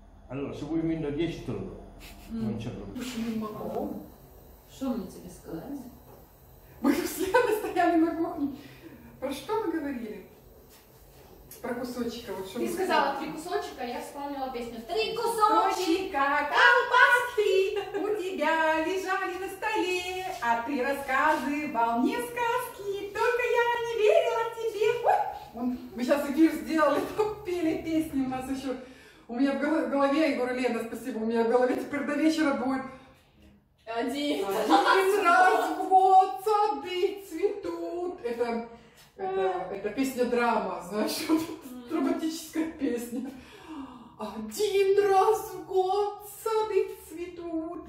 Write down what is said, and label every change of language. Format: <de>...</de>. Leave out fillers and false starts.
<it>Allora, se vuoi meno 10 te lo do. Non c'è</it> <uk>problema. Що мені тебе сказати? Ми постійно стояли на кухні. Про що ми говорили? Про кусочки. Вот, ти сказала три кусочка,</uk> <ru>я вспомнила</ru> <uk>пісню.</uk> <ru>Три кусочка колбаски у тебя лежали на столе,</ru> <uk>а ти розказував мені сказки, тільки я не вірила тобі. Ми зараз ефір зробили, там пели пісні, у нас ще...</uk> <ru>У меня в голове, я говорю, Лена, спасибо, у меня в голове теперь до вечера будет... Один раз в год сады цветут. Это песня-драма, знаешь, драматическая песня. Один раз в год сады цветут.</ru>